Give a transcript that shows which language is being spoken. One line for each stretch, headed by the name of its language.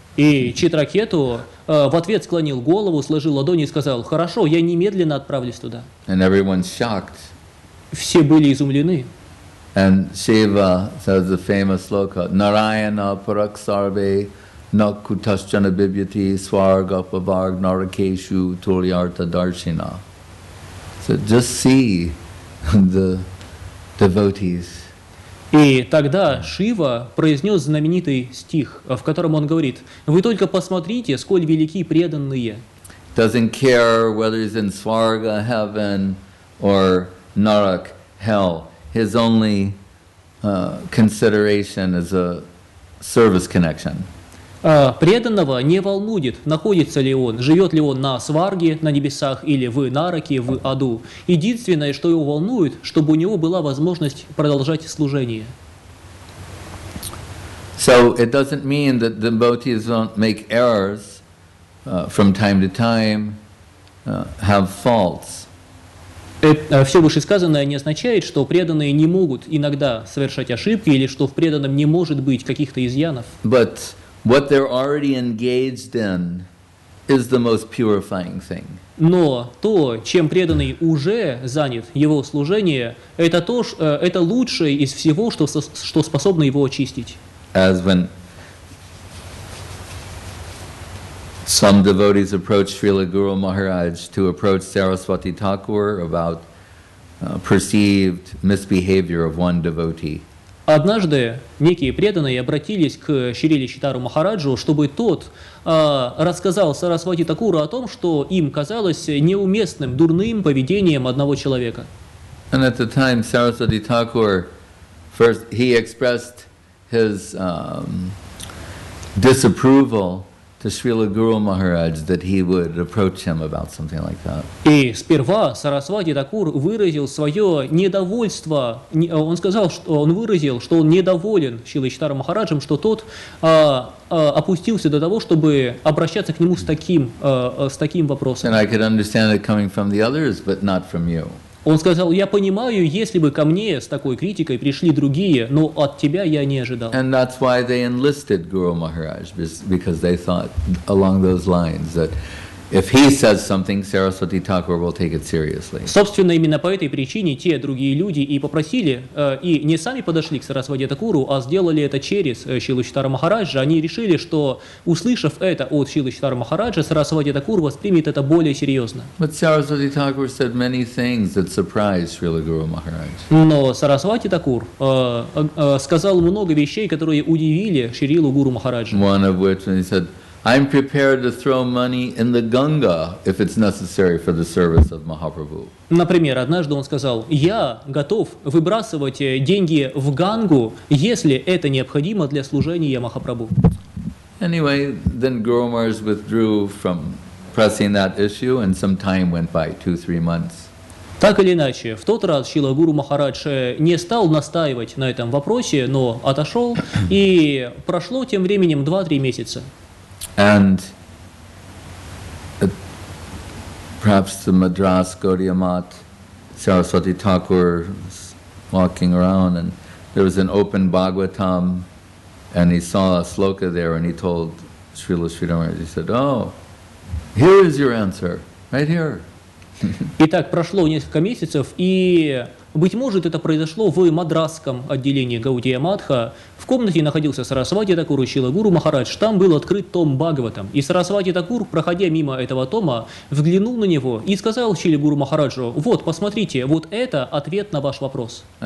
Russian: И Читракету в ответ склонил голову, сложил ладони и сказал, хорошо, я немедленно отправлюсь туда.
English: And everyone shocked.
Russian: Все были изумлены.
English: And Shiva says the famous sloka,
Sanskrit: Narayana Paraksarve Nakutaschana Bibhyati Swargapavarg Narakeshu Tulyarta Darshina.
English: So just see the devotees.
Russian: И тогда Шива произнес знаменитый стих, в котором он говорит, «Вы только посмотрите, сколь велики преданные».
English: Doesn't care whether he's in Swarga, heaven, or Narak, hell. His only consideration is a service connection.
Russian: Преданного не волнует, находится ли он, живет ли он на Сварге, на небесах, или в Нараке, в аду. Единственное, что его волнует, чтобы у него была возможность продолжать служение.
English: So it doesn't mean that the devotees don't make errors from time to time, have faults.
Russian: Все вышесказанное не означает, что преданные не могут иногда совершать ошибки или что в преданном не может быть каких-то изъянов.
English: But what they're already engaged in is the most purifying thing.
Russian: Но то, чем преданный уже занят, его служение, это то, это лучшее из всего, что, что способно его очистить.
English: As when some devotees approach Srila Guru Maharaj to approach Saraswati Thakur about perceived misbehavior of one devotee.
Russian: Однажды некие преданные обратились к Шрили Читару Махараджу, чтобы тот рассказал Сарасвати Такуру о том, что им казалось неуместным, дурным поведением одного человека.
English: And at the time, Saraswati Thakur first he expressed his disapproval to Srila Guru Maharaj that he would approach him about something like that.
Russian: И сперва Сарасвати Такур выразил свое недовольство. Он сказал, что он выразил, что он недоволен Шрилой Читарой Махараджем, что тот опустился до того, чтобы обращаться к нему с таким вопросом.
English: And I could understand it coming from the others, but not from you.
Russian: Он сказал: «Я понимаю, если бы ко мне с такой критикой пришли другие, но от тебя я не ожидал».
English: And that's why they enlisted Guru Maharaj, because they thought along those lines that if he says something, Saraswati Thakur will take it seriously.
Russian: Собственно, именно по этой причине те другие люди и попросили, и не сами подошли к Сарасвати Такуру, а сделали это через Шрилу Читару Махараджа. Они решили, что, услышав это от Шрилы Читару Махараджа, Сарасвати Такур воспримет это более серьезно.
English: But Saraswati Thakur said many things that surprised Srila Guru Maharaj.
Russian: Но Сарасвати Такур сказал много вещей, которые удивили Шрилу Гуру Махараджа.
English: One of which, when he said, I'm prepared to throw money in the Ganga if it's necessary for the service of Mahaprabhu.
Russian: Например, однажды он сказал: «Я готов выбрасывать деньги в Гангу, если это необходимо для служения Махапрабху».
English: Anyway, then Guru Maharaj withdrew from pressing that issue, and some time went by, 2-3 months.
Russian: Так или иначе, в тот раз Шрила Гуру Махарадж не стал настаивать на этом вопросе, но отошел, и прошло тем временем 2-3 месяца.
English: And perhaps the Madras Gaudiya Math, Saraswati Thakur was walking around and there was an open Bhagavatam and he saw a sloka there and he told Srila Sridhar, he said, oh, here is your answer, right here.
Russian: Итак, прошло несколько месяцев, и, быть может, это произошло в мадрасском отделении Гаудия Матха. В комнате находился Сарасвати Такур и Шрила Гуру Махарадж. Там был открыт том Бхагаватам. И Сарасвати Такур, проходя мимо этого тома, взглянул на него и сказал Шриле Гуру Махараджу: «Вот, посмотрите, вот это ответ на ваш вопрос».